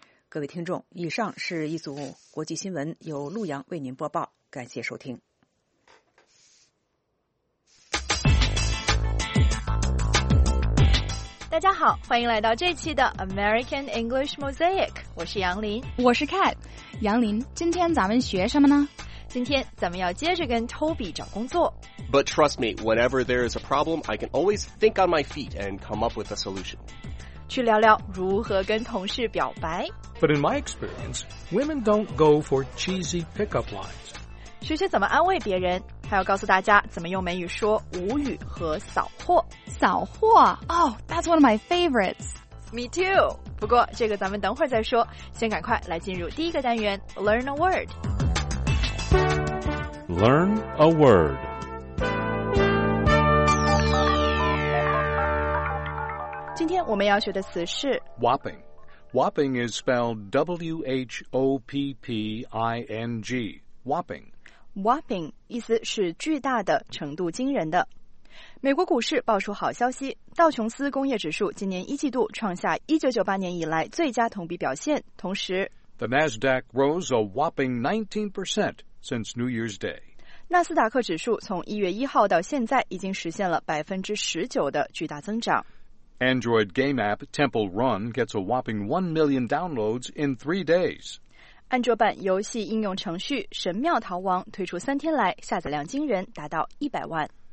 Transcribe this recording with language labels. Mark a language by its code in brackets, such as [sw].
[zh] 各位听众，以上是一组国际新闻，由陆阳为您播报，感谢收听。家好，欢迎来到这期的 American English Mosaic， 我是杨林。我是 Kat。杨林，今天咱们学什么呢？今天咱们要接着跟 Toby 找工作。 [en] But trust me, whenever there is a problem, I can always think on my feet and come up with a solution. [zh] 去聊聊如何跟同事表白。 [en] But in my experience, women don't go for cheesy pickup lines. [zh] 学学怎么安慰别人，还要告诉大家怎么用美语说无语和扫货。 [en] 扫货？Oh, that's one of my favorites. Me too. [zh] 不过这个咱们等会儿再说，先赶快来进入第一个单元 Learn a Word。 [en] Learn a word. [zh] 今天我们要学的词是 [en] whopping. Whopping is spelled W-H-O-P-P-I-N-G. Whopping. [zh] Whopping 意思是巨大的，程度惊人的。美国股市爆出好消息，道琼斯工业指数今年一季度创下1998年以来最佳同比表现，同时 [en] The Nasdaq rose a whopping 19% since New Year's Day. [zh] 纳斯达克指数从1月1号到现在已经实现了 19% 的巨大增长。 [en] Android game app Temple Run gets a whopping 1 million downloads in 3 days. [zh] 安卓版游戏应用程序《神庙逃亡》推出三天来，下载量惊人，达到100万。